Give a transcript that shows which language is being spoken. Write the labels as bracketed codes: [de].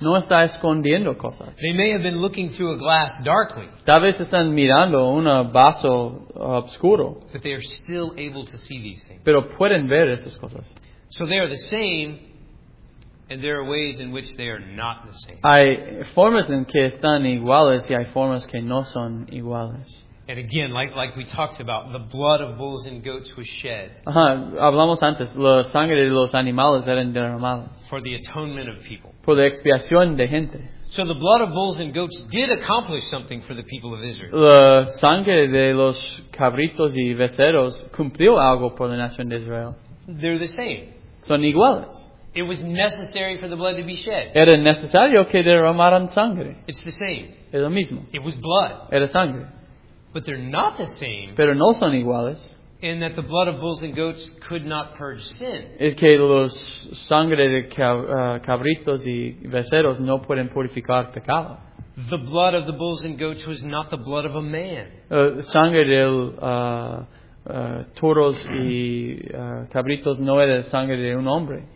[es] No está escondiendo cosas. [en] They may have been looking through a glass darkly. [es] Tal vez están mirando un vaso oscuro. [en] But they are still able to see these things. [es] Pero pueden ver estas cosas. [en] So they are the same. And there are ways in which they are not the same. [es] Hay formas en que están iguales y hay formas que no son iguales. [en] And again, like we talked about, the blood of bulls and goats was shed. [es] Hablamos antes, la sangre de los animales eran derramadas. [en] For the atonement of people. [es] Por la expiación de gente. [en] So the blood of bulls and goats did accomplish something for the people of Israel. [es] La sangre de los cabritos y becerros cumplió algo por la nación de Israel. [en] They're the same. [es] Son iguales. [en] It was necessary for the blood to be shed. [es] Era necesario que derramaran sangre. [en] It's the same. [es] Es lo mismo. [en] It was blood. [es] Era sangre. [en] But they're not the same. [es] Pero no son iguales. [en] In that the blood of bulls and goats could not purge sin. [es] Es que los sangre de cabritos y becerros no pueden purificar pecado. [en] The blood of the bulls and goats was not the blood of a man. [es] Sangre del toros y cabritos no era sangre de un hombre.